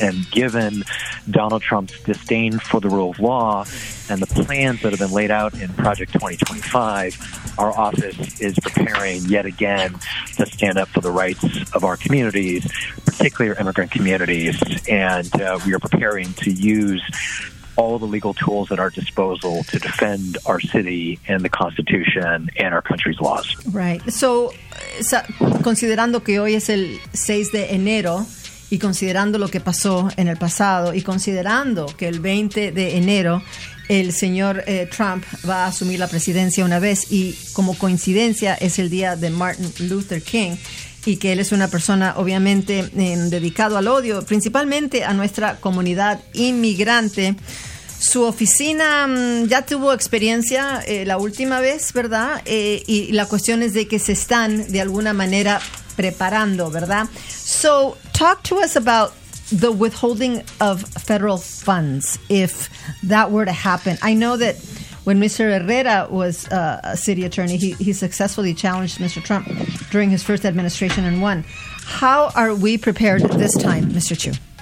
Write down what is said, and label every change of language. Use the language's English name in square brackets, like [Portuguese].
[English] And given Donald Trump's disdain for the rule of law and the plans that have been laid out in Project 2025, our office is preparing yet again to stand up for the rights of our communities, particularly our immigrant communities. And we are preparing to use all the legal tools at our disposal to defend our city and the Constitution and our country's laws. Right. [Spanish] So, considerando que hoy es el 6 de enero, y considerando lo que pasó en el pasado, y considerando que el 20 de enero el señor Trump va a asumir la presidencia una vez, y como coincidencia es el día de Martin Luther King, y que él es una persona obviamente dedicado al odio, principalmente a nuestra comunidad inmigrante. Su oficina ya tuvo experiencia la última vez, ¿verdad? Y la cuestión es de que se están de alguna manera preparando, ¿verdad? [English] So, talk to us about the withholding of federal funds, if that were to happen. I know that when Mr. Herrera was a city attorney, he successfully challenged Mr. Trump during his first administration and won. How are we prepared this time, Mr. Chu?